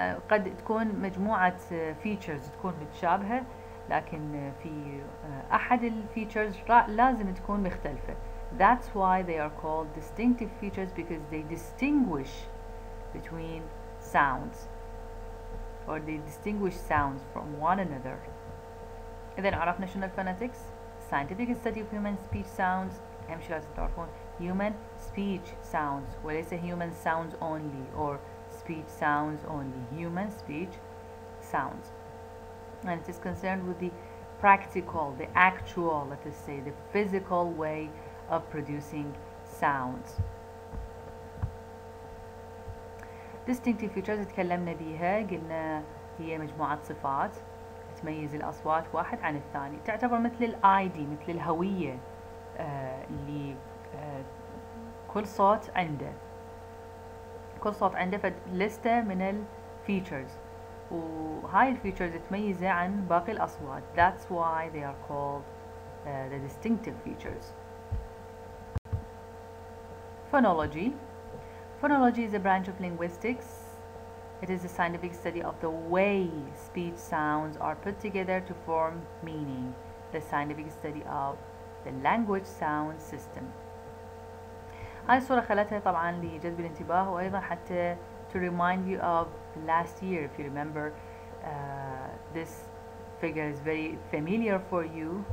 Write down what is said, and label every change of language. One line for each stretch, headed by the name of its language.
Arabic: قد تكون مجموعة features تكون متشابهة, لكن في أحد ال features لازم تكون مختلفة.
English: That's why they are called distinctive features, because they distinguish between sounds. or they distinguish sounds from one another. And then
Arabic: عرفنا شنو الفونيتكس,
English: scientific study of human speech sounds,
Arabic: امشي على التارفون,
English: human speech sounds,
Arabic: وليس
English: human sounds only or speech sounds only, human speech sounds. And it is concerned with the practical, the actual, let us say, the physical way of producing sounds.
Arabic: Distinctive features اتكلمنا بيها, قلنا هي مجموعة صفات تميز الأصوات واحد عن الثاني, تعتبر مثل الـ ID, مثل الهوية اللي كل صوت عنده, كل صوت عنده فد لستة من الـ features, وهاي الـ features تميزة عن باقي الأصوات.
English: That's why they are called the distinctive features. Phonology. Phonology is a branch of linguistics. It is a scientific study of the way speech sounds are put together to form meaning. The scientific study of the language sound system.
Arabic: هاي الصورة خلتها طبعا لجذب الانتباه وأيضا حتى
English: to remind you of last year. If you remember, this figure is very familiar for you.